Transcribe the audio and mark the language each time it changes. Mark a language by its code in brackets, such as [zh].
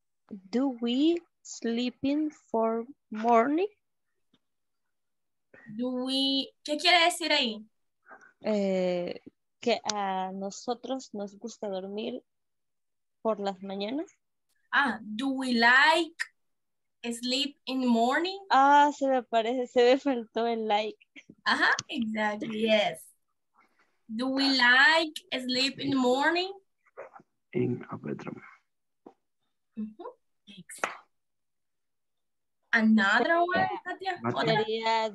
[en] Do we sleep in for morning? [es] ¿Qué quiere decir ahí? Que a nosotros nos gusta dormir por las mañanas. [en] Ah, do we like sleep in the morning? [es] Ah, se me parece, se me faltó el like. [en] Ajá, exactly, yes. Do we like sleep in the morning? In a bedroom. Uh-huh. Another one, Katia?